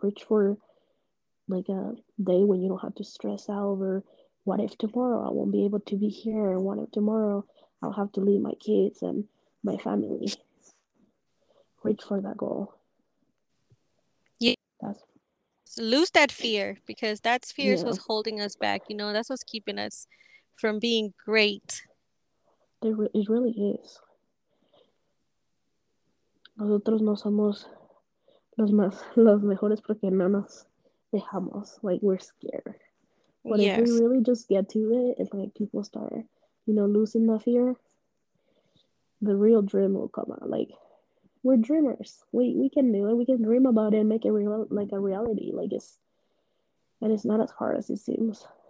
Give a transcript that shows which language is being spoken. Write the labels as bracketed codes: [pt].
[en] Reach for like a day when you don't have to stress out over what if tomorrow I won't be able to be here, and what if tomorrow I'll have to leave my kids and my family. Reach for that goal. That's, Lose that fear because that fear is yeah. what's holding us back. You know, that's what's keeping us from being great. It really is. [es] Nosotros no somos los más, los mejores porque no nos dejamos, [en] like we're scared. But if we Yes. really just get to it and like people start, you know, losing the fear, the real dream will come out. Like, we're dreamers. We can do it. We can dream about it and make it real, like a reality. Like, it's, and it's not as hard as it seems.